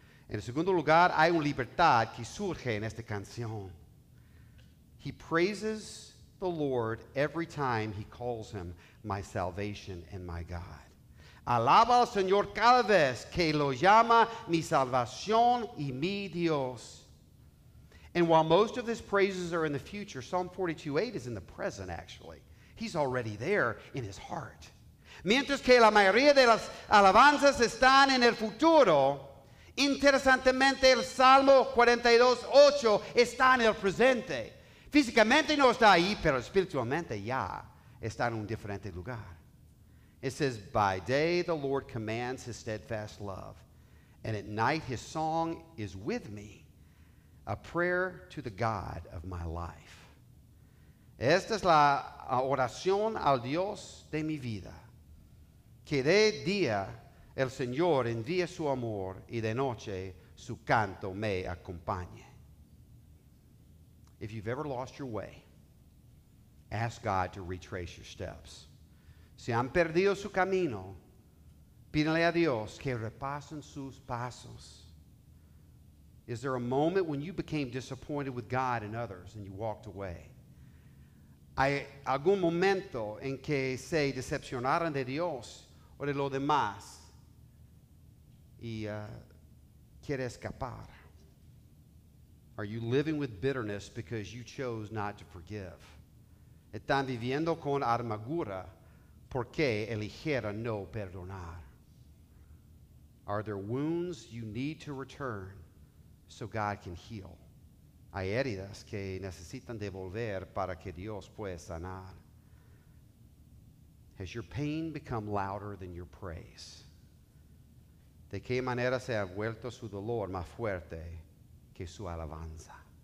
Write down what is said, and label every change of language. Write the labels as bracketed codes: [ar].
[es] En segundo lugar, hay una libertad que surge en esta canción. [en] He praises the Lord every time he calls him my salvation and my God. [es] Alaba al Señor cada vez que lo llama mi salvación y mi Dios. [en] And while most of his praises are in the future, Psalm 42:8 is in the present, actually. He's already there in his heart. [es] Mientras que la mayoría de las alabanzas están en el futuro, interesantemente el Salmo 42:8 está en el presente. Físicamente no está ahí, pero espiritualmente ya está en un diferente lugar. [en] It says, by day the Lord commands his steadfast love, and at night his song is with me, a prayer to the God of my life. [es] Esta es la oración al Dios de mi vida. Que de día el Señor envíe su amor y de noche su canto me acompañe. [en] If you've ever lost your way, ask God to retrace your steps. [es] Si han perdido su camino, pídele a Dios que repasen sus pasos. [en] Is there a moment when you became disappointed with God and others and you walked away? [es] ¿Hay algún momento en que se decepcionaron de Dios o de lo demás y quiere escapar? [en] Are you living with bitterness because you chose not to forgive? [es] ¿Están viviendo con amargura porque eligieron no perdonar? [en] Are there wounds you need to return so God can heal? [es] Hay heridas que necesitan devolver para que Dios pueda sanar. [en] Has your pain become louder than your praise? [es] ¿De qué manera se ha vuelto su dolor más fuerte que su alabanza?